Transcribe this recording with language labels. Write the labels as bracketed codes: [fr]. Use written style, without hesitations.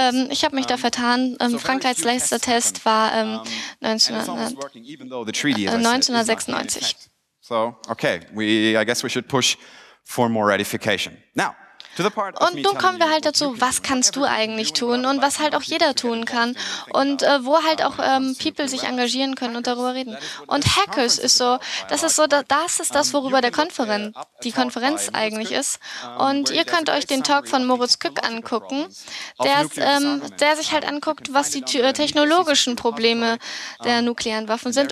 [de] Ich habe mich da vertan. Frankreichs letzter Test war 1996. [en] So, okay, I guess we should push for more ratification. Now, [de] und nun kommen wir halt dazu, was kannst du eigentlich tun und was halt auch jeder tun kann und wo halt auch People sich engagieren können und darüber reden. Und Hackers ist so, das ist das, worüber die Konferenz eigentlich ist. Und ihr könnt euch den Talk von Moritz Kück angucken, der sich halt anguckt, was die technologischen Probleme der nuklearen Waffen sind.